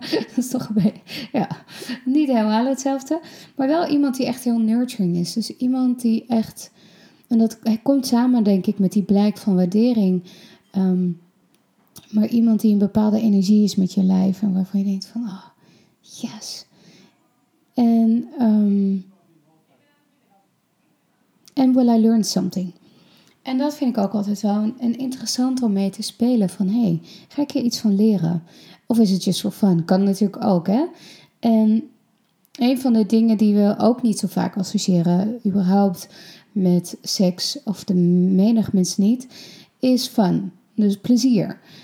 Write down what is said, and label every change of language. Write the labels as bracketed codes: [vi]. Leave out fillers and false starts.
[nl] Dat is toch een beetje, ja, niet helemaal hetzelfde. Maar wel iemand die echt heel nurturing is. Dus iemand die echt, en dat komt samen denk ik met die blijk van waardering. Maar iemand die een bepaalde energie is met je lijf en waarvan je denkt van, oh, yes. En [en] and will I learn something? [nl] En dat vind ik ook altijd wel een interessant om mee te spelen. Van, hey, ga ik hier iets van leren? Of is het [en] just for fun? [nl] Kan natuurlijk ook, hè? En een van de dingen die we ook niet zo vaak associëren, überhaupt met seks, of de menig mensen niet, is fun. Dus plezier.